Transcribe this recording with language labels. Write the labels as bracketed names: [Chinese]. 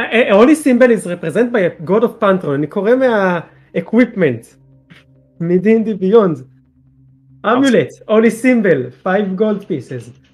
[English] Holy Symbol is represented by God of Pantheon. [Hebrew] אני קורא מה-Equipment. מ-D&D Beyond. [English] אמיולט, Holy Symbol, 5 gold pieces.